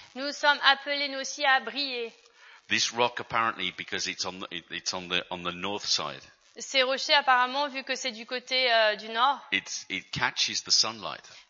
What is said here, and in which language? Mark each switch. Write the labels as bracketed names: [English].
[French] Nous sommes appelés nous aussi à briller. [English] This rock apparently because it's on the north side. [French] Ces rochers apparemment vu que c'est du côté du nord. [English] It catches the sunlight.